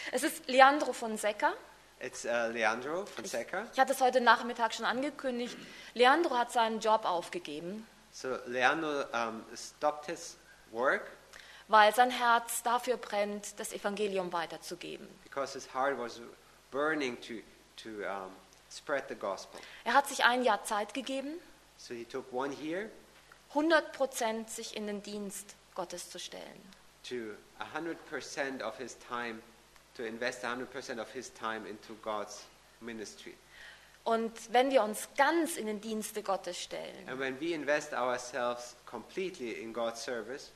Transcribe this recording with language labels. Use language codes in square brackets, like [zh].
[de] Es ist Leandro Fonseca. [en] It's Leandro Fonseca. [de] Ich hatte es heute Nachmittag schon angekündigt. Leandro hat seinen Job aufgegeben. [en] So Leandro stopped his work. [de] Weil sein Herz dafür brennt, das Evangelium weiterzugeben. [en] Because his heart was burning to spread the gospel. [de] Er hat sich ein Jahr Zeit gegeben, [en] so he took one year, [de] 100% sich in den Dienst Gottes zu stellen. [en] To 100% of his time, to invest 100% of his time into God's ministry. [de] Und wenn wir uns ganz in den Dienste Gottes stellen, [en] and when we invest ourselves completely in God's service,